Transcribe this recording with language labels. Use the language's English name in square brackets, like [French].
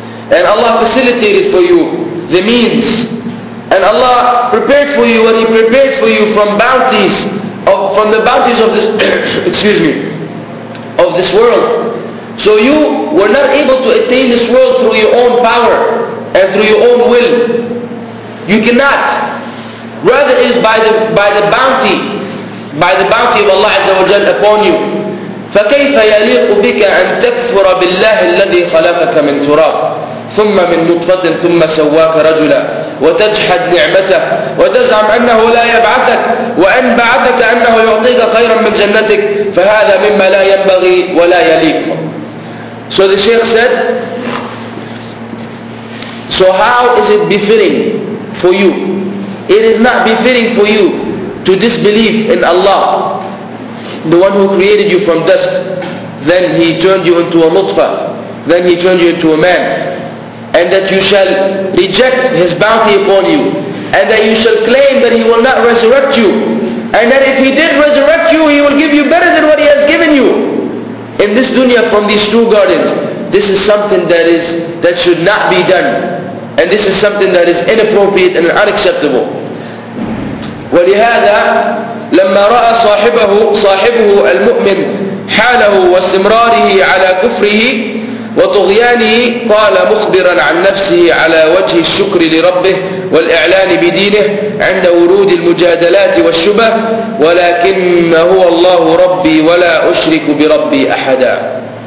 [English] And Allah facilitated for you the means, and Allah prepared for you what He prepared for you from bounties of, from the bounties of this excuse me, of this world. So you were not able to attain this world through your own power and through your own will. You cannot. Rather it is by the bounty of Allah Azza wa Jal upon you. [Arabic] فَكَيْفَ يَلِيقُ بِكَ أَن تَكْفُرَ بِاللَّهِ الَّذِي خَلَقَكَ مِنْ تُرَابٍ ثُمَّ مِنْ نُطْفَةٍ ثُمَّ سَوَّاكَ رَجُلًا وتجحد نعمته وتزعم أنه لا يبعثك وأن بعثك أنه يعطيك خيرا من جنتك فهذا مما لا ينبغي ولا يليق. [English] So the Shaykh said, so how is it befitting for you? It is not befitting for you to disbelieve in Allah, the one who created you from dust, then He turned you into a nutfah, then He turned you into a man, and that you shall reject His bounty upon you, and that you shall claim that He will not resurrect you, and that if He did resurrect you, He will give you better than what He has given you in this dunya from these two gardens. This is something that should not be done, and this is something that is inappropriate and unacceptable. [Arabic] ولهذا لما رأى صاحبه المؤمن حاله واستمراره على كفره وطغيانه قال مخبرا عن نفسه على وجه الشكر لربه والإعلان بدينه عند ورود المجادلات والشبه ولكن هو الله ربي ولا أشرك بربي أحدا.